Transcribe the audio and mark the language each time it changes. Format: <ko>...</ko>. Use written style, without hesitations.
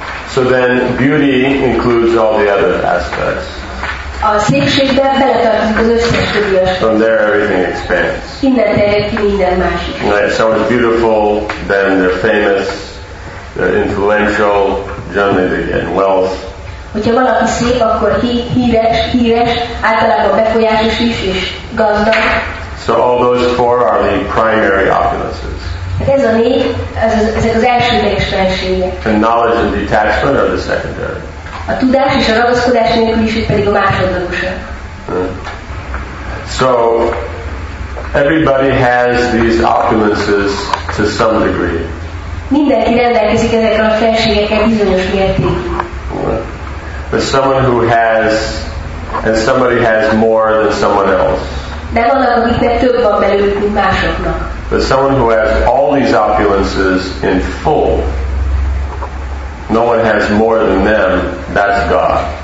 <en>So then beauty includes all the other aspects.</en> <hu>A szépségben beletartozik az összes többi aspekt.</hu> <en>From there everything expands.</en> <hu>Innen terjed ki minden másik.</hu> <en>Right, someone's beautiful, then they're famous, they're influential, generally they get wealth.</en> <hu>Hogyha valaki szép, akkor híres, általában befolyásos is, és gazdag.</hu> <en>So all those four are the primary opulences.</en> <hu>Ez a négy, ezek az elsődleges felségek.</hu> <en>And knowledge and detachment are the secondary.</en> <hu>A tudás és a ragaszkodás nélküliség pedig a másodlagosság.</hu> <en>So everybody has these opulences to some degree.</en> <hu>Mindenki rendelkezik ezekkel a felségekkel bizonyos mértékben.</hu> <en>But someone who has, and somebody has more than someone else.</en> <hu>De vannak, akiknek több van belőlük, mint másoknak.</hu> <en>But someone who has all these opulences in full, no one has more than them, that's God.</en>